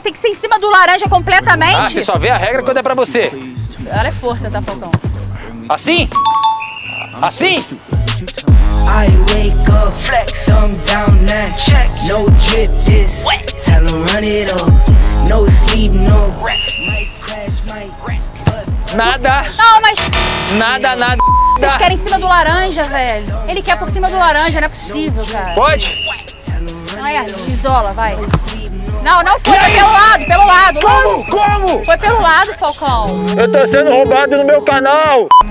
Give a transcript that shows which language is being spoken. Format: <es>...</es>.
<pt>Tem que ser em cima do laranja completamente? Ah, você só vê a regra quando é pra você. Ela é força, tá, Falcão? Assim? Assim?</pt> <en>I wake up, flex, I'm down that check. No drip, this. Tell them run it up. No sleep, no rest. Might crash, might wreck.</en> <pt>Nada. Não, mas... Nada. Vocês querem em cima do laranja, velho. Ele quer por cima do laranja, não é possível, cara. Pode? Não, é, isola, vai. Não, foi pelo lado. Como? Foi pelo lado, Falcão. Eu tô sendo roubado no meu canal.</pt>